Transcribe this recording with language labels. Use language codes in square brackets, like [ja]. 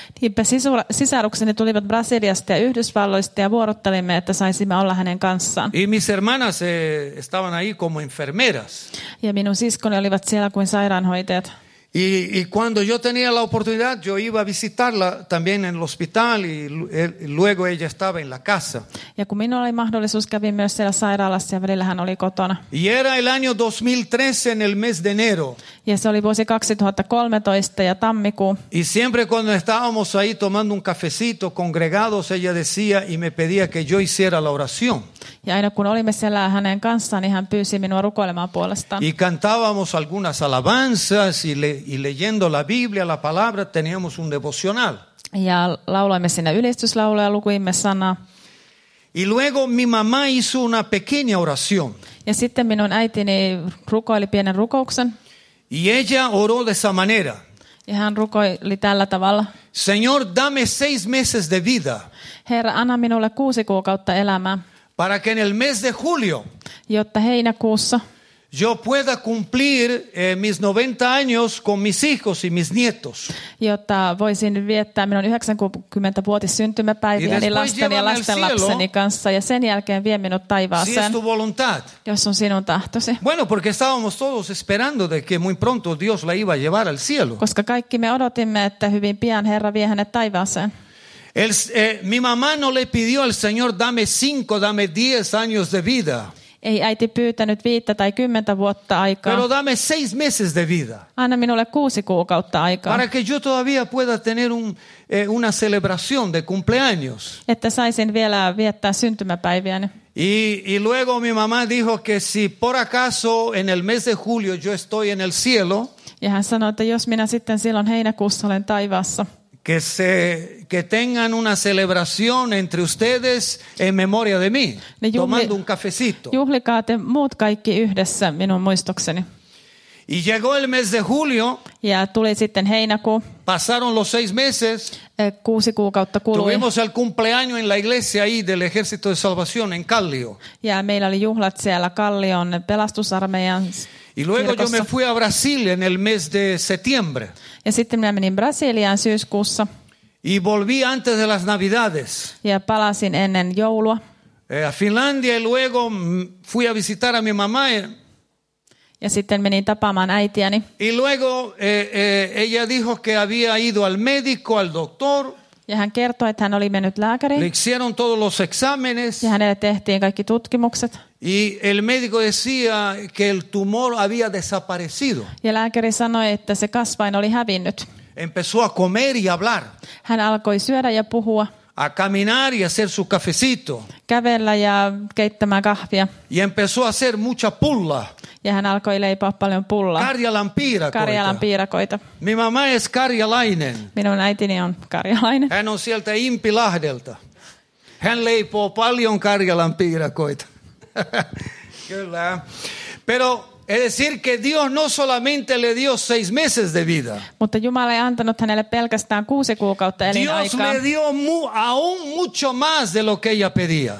[fi] Niinpä sisarukseni tulivat Brasiliasta ja Yhdysvalloista ja vuorottelimme, että saisimme olla hänen kanssaan. [es] Y mis hermanas estaban ahí como enfermeras. [fi] Ja minun siskoni olivat siellä kuin sairaanhoitajat. [es] Y cuando yo tenía la oportunidad, yo iba a visitarla también en el hospital y luego ella estaba en la casa. [fi] Ja kun minulla oli mahdollisuus, kävin myös siellä sairaalassa ja välillä hän oli kotona. [es] Y era el año 2013 en el mes de enero. [fi] Ja se oli vuosi 2013 ja tammikuu. [es] Y siempre cuando estábamos ahí tomando un cafecito, congregados, ella decía y me pedía que yo hiciera la oración. [fi] Ja aina kun olimme siellä hänen kanssaan, niin hän pyysi minua rukoilemaan puolestaan. [es] Y cantábamos algunas alabanzas y leyendo la Biblia, la palabra, teníamos un devocional. [fi] Ja lauloimme sinne ylistyslauluja, lukuimme sanaa. [es] Y luego mi mamá hizo una pequeña oración. [fi] Ja sitten minun äitini rukoili pienen rukouksen. [es] Y ella oró de esa manera. [fi] Ja hän rukoili tällä tavalla. [es] Señor, dame 6 meses de vida. [fi] Herra, anna minulle 6 kuukautta elämää. [es] Para que en el mes de julio, [fi] jotta heinäkuussa, [es] yo pueda cumplir mis 90 años con mis hijos y mis nietos. [fi] Jotta voisin viettää minun 90-vuotis syntymäpäiviäni lasteni ja lastenlapseni kanssa ja sen jälkeen vie minut taivaaseen. [es] Si es tu voluntad. [fi] Jos on sinun tahtosi. [es] Bueno, porque estábamos todos esperando de que muy pronto Dios la iba a llevar al cielo. [fi] Koska kaikki me odotimme, että hyvin pian Herra vie hänet taivaaseen. [es] Mi mamá no le pidió al Señor dame 5, dame 10 años de vida. [fi] Ei äiti pyytänyt 5 tai 10 vuotta aikaa. [es] Pero dame 6 meses de vida. [fi] Anna minulle 6 kuukautta aikaa. [es] Para que yo todavía pueda tener una celebración de cumpleaños. [fi] Että saisin vielä viettää syntymäpäiviäni. [es] Y luego mi mamá dijo que si por acaso en el mes de julio yo estoy en el cielo. [fi] Ja hän sanoi, että jos minä sitten silloin heinäkuussa olen taivaassa. [es] Que tengan una celebración entre ustedes en memoria de mí, tomando un cafecito. [fi] Juhlikaa te muut kaikki yhdessä minun muistokseni. [es] Y llegó el mes de julio. [fi] Ja tuli sitten heinäkuu. [es] Pasaron los seis meses. [fi] Kuusi kuukautta kului. [es] Tuvimos el cumpleaños en la iglesia ahí del Ejército de Salvación en Kallio. [fi] Ja meillä oli juhlat siellä Kallion pelastusarmeijan [es] Y luego yo me fui a Brasil en el mes de septiembre. [fi] Ja sitten minä menin Brasiliaan syyskuussa. [es] Y volví antes de las Navidades. [fi] Ja palasin ennen joulua. [es] A Finlandia y luego fui a visitar a mi mamá. [fi] Ja sitten menin tapaamaan äitiäni. [es] Y luego ella dijo que había ido al médico, al doctor. [fi] Ja hän kertoi, että hän oli mennyt lääkäriin. [es] Le hicieron todos los exámenes. [fi] Ja hänelle tehtiin kaikki tutkimukset. [es] Y el médico decía que el tumor había desaparecido. [fi] Ja lääkäri sanoi, että se kasvain oli hävinnyt. [es] Empezó a comer y hablar. [fi] Hän alkoi syödä ja puhua. [es] A caminar y hacer su cafecito. [fi] Kävellä ja keittämään kahvia. [es] Y empezó a hacer mucha pulla. [fi] Ja hän alkoi leipoa paljon pullaa. Karjalan piirakoita. Karjalan piirakoita. [es] Mi mamá es karjalainen. [fi] Minun äitini on karjalainen. Hän on sieltä Impilahdelta. Hän leipoo paljon karjalan piirakoita. Kyllä. [es] Pero es decir que Dios no solamente le dio seis meses de vida. [fi] Mutta Jumala ei antanut hänelle pelkästään kuusi kuukautta elinaikaa. [es] Dios le dio aún mucho más de lo que ella pedía.